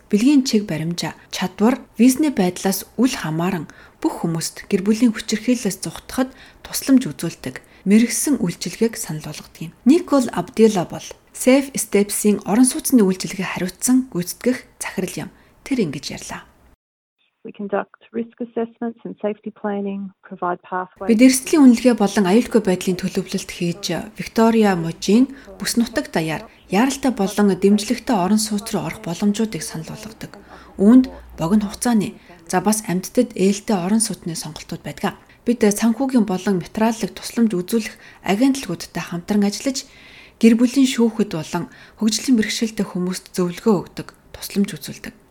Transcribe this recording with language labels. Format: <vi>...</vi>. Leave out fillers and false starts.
<mn>бэлгийн чиг баримжаа, чадвар, визний байдлаас үл хамааран бүх хүмүүст гэр бүлийн хүчирхийлэлээс зугатахад тусламж үзүүлдэг мэргэсэн үйлчилгээг санал болгодог юм. Никол Абдела бол Safe Steps-ийн орон сууцны үйлчилгээ хариуцсан гүйцэтгэх захирал юм. Тэр ингэж ярьлаа.</mn> <en>We conduct risk assessments and safety planning, provide pathways.</en> <mn>Бид эрсдлийн үнэлгээ болон аюулгүй байдлын төлөвлөлт хийж, Виктория Можийн бүс нутаг даяар яаралтай болон дэмжлэгтэй орон сууц руу орох боломжуудыг санал болгодог. Үүнд богино хугацааны за бас амьдтад ээлтэй орон сууцны сонголтууд байдаг. Бид санхүүгийн болон материаллык тусламж үзүүлэх агентлагуудтай хамтран ажиллаж, гэр бүлийн шүүхэд болон хөгжлийн бэрхшээлтэй хүмүүст зөвлөгөө өгдөг, тусламж үзүүлдэг.</mn>